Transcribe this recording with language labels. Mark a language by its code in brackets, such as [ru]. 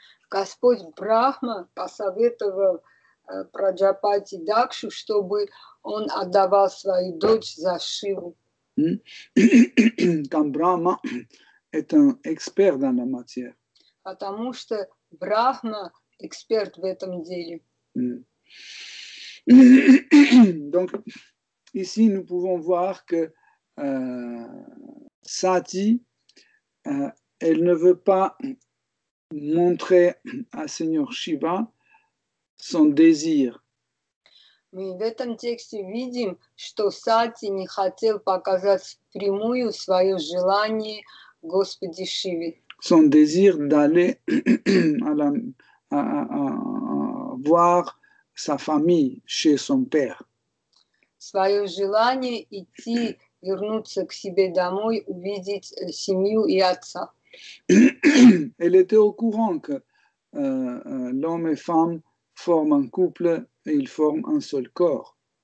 [ru] Господь Брахма посоветовал Праджапати Дакшу, чтобы он отдавал свою дочь за Шиву. [fr] Quand Brahma est un expert dans la matière. [ru] Потому что Брахма эксперт в этом деле. [fr] Donc ici nous pouvons voir que Sati, elle ne veut pas montrer à Seigneur Shiva son désir. [ru] Мы в этом тексте видим, что Сати не хотел показать впрямую свое желание Господи Шиве. [fr] Son désir d'aller à la, à voir sa famille chez son père. [ru] Свое желание идти, вернуться к себе домой, увидеть семью и отца. [fr] Elle était au courant que l'homme et femme forment un couple. Et ils forment un seul corps.